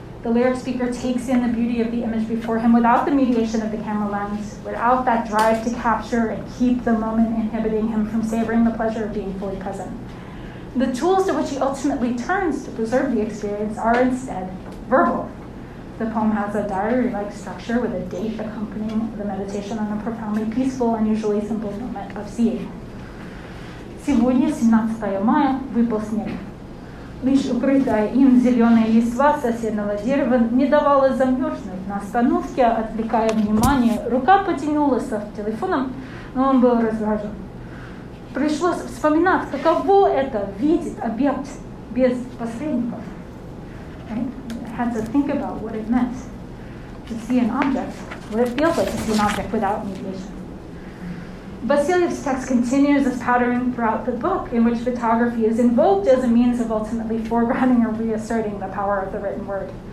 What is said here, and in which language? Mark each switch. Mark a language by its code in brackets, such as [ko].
[en] The lyric speaker takes in the beauty of the image before him without the mediation of the camera lens, without that drive to capture and keep the moment inhibiting him from savoring the pleasure of being fully present. The tools to which he ultimately turns to preserve the experience are instead verbal. The poem has a diary-like structure with a date accompanying the meditation on a profoundly peaceful and usually simple moment of seeing. [ru] Сегодня 17 мая, выпал снег. Лишь укрытая им зеленая листва соседнего дерева не давала замерзнуть на остановке, отвлекая внимание. Рука потянулась за телефоном, но он был раздражен. Пришлось вспоминать, каково это видеть объект без посредников. [en] Right? I had to think about what it meant to see an object, what it feels like to see an object without mediation. Vasilyev's text continues this pattern throughout the book in which photography is invoked as a means of ultimately foregrounding or reasserting the power of the written word.